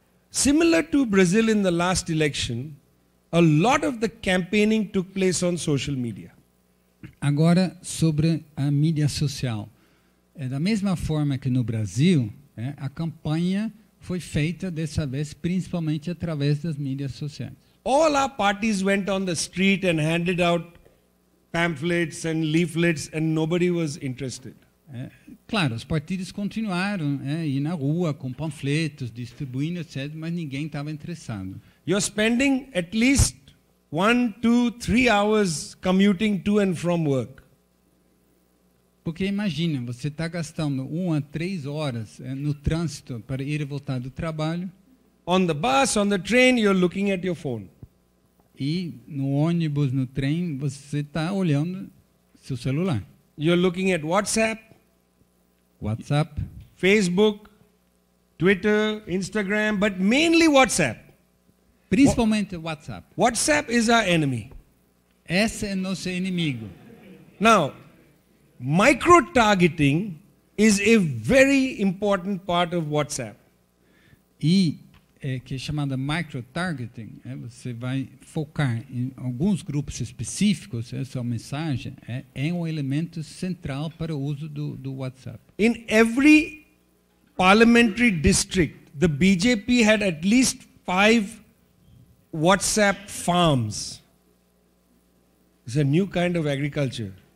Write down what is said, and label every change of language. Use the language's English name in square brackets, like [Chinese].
[English] Similar to Brazil in the last election, a lot of the campaigning took place on social media. [Portuguese] Agora, sobre a mídia social. Da mesma forma que no Brasil, a campanha foi feita, dessa vez, principalmente através das mídias sociais. [English] All our parties went on the street and handed out pamphlets and leaflets and nobody was interested. [Portuguese] Claro, os partidos continuaram ir na rua com panfletos, distribuindo, etc., mas ninguém estava interessado. [English] You're spending at least 1, 2, 3 hours commuting to and from work. [Portuguese] Porque imagina, você está gastando 1 a 3 horas no trânsito para ir e voltar do trabalho. [English] On the bus, on the train, you're looking at your phone. [Portuguese] E no ônibus, no trem, você está olhando seu celular. [English] You're looking at WhatsApp, Facebook, Twitter, Instagram, but mainly WhatsApp. [Portuguese] Principalmente WhatsApp. [English] WhatsApp is our enemy. [Portuguese] Esse é nosso inimigo. [English] Now, micro-targeting is a very important part of WhatsApp. [Portuguese] E que é chamada micro-targeting, você vai focar em alguns grupos específicos, essa mensagem é um elemento central para o uso do WhatsApp. [English] In every parliamentary district, the BJP had at least 5 WhatsApp farms. It's a new kind of agriculture.